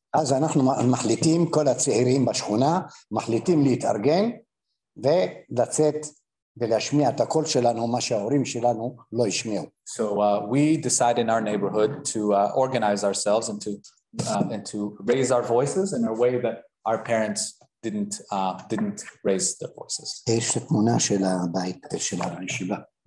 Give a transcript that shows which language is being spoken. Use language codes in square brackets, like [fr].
[he] אז אנחנו מחליטים, כל הצעירים בשכונה, מחליטים להתארגן ולצאת ולהשמיע את הקול שלנו, מה שההורים שלנו לא השמיעו. [en] So we decide in our neighborhood to organize ourselves and to raise our voices in a way that our parents didn't raise their voices. [he] יש תמונה של הבית של הישיבה.